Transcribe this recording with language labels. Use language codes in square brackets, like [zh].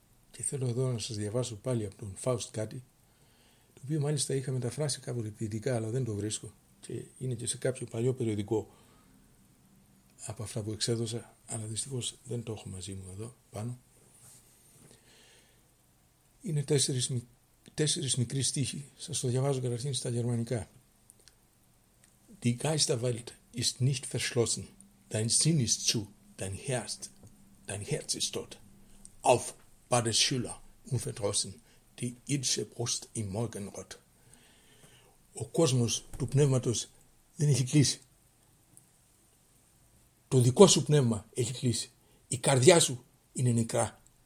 [el] Και θέλω εδώ να σας διαβάσω πάλι από τον Φάουστ κάτι, το οποίο μάλιστα είχα μεταφράσει κάποτε ποιητικά, αλλά δεν το βρίσκω. Και είναι και σε κάποιο παλιό περιοδικό από αυτά που εξέδωσα, αλλά δυστυχώς δεν το έχω μαζί μου εδώ πάνω. Είναι τέσσερις μικροί στίχοι. Σας το διαβάζω καταρχήν στα γερμανικά. [de] Die Geisterwelt ist nicht verschlossen. Dein Sinn ist zu, dein Herz ist dort. Auf, Bade Schüler, unverdrossen, die irdische Brust im Morgenrot. [el] Ο κόσμος του πνεύματος δεν έχει κλείσει. Το δικό σου πνεύμα έχει κλείσει. Η καρδιά σου είναι νεκρά.